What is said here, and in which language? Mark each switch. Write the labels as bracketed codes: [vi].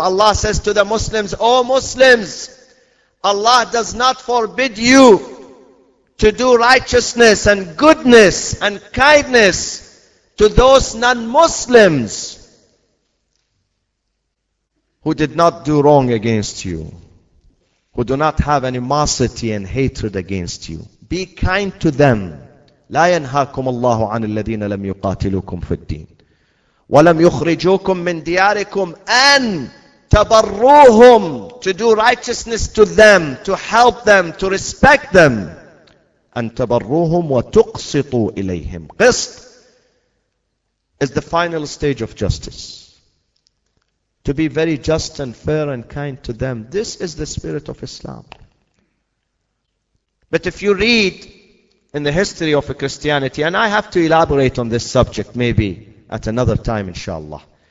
[en] Allah says to the Muslims, O Muslims, Allah does not forbid you to do righteousness and goodness and kindness to those non-Muslims who did not do wrong against you, who do not have animosity and hatred against you. Be kind to them. [ar] لَا يَنْهَاكُمُ اللَّهُ عَنِ الَّذِينَ لَمْ يُقَاتِلُوكُمْ فِي الدِّينِ وَلَمْ يُخْرِجُوكُمْ مِنْ دِيَارِكُمْ أَنْ تَبَرُّوهُمْ. [en] To do righteousness to them, to help them, to respect them, [ar] أن تبروهم وتقسطوا إليهم. [en] قسط is the final stage of justice. To be very just and fair and kind to them. This is the spirit of Islam. But if you read in the history of Christianity, and I have to elaborate on this subject maybe at another time inshallah.